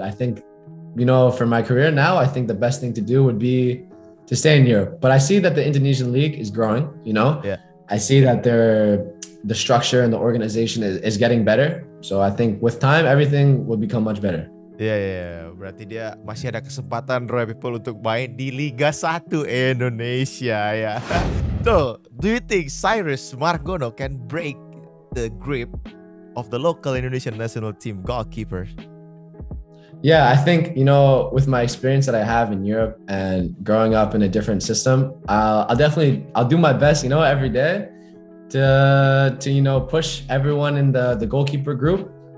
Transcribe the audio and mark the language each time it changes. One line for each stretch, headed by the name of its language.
English: I think, you know, for my career now, I think the best thing to do would be to stay in Europe. But I see that the Indonesian league is growing, you know. Yeah. I see that the structure and the organization is getting better. So I think with time, everything will become much better. Yeah.
Indonesian: Berarti dia masih ada kesempatan, Roy People, untuk main di Liga 1 Indonesia, ya.
English: So, do you think Cyrus Margono can break the grip of the local Indonesian national team goalkeeper? Yeah, I think, you know, with my experience that I have in Europe and growing up in a different system, I'll do my best, you know, every day to you know, push everyone in the goalkeeper group.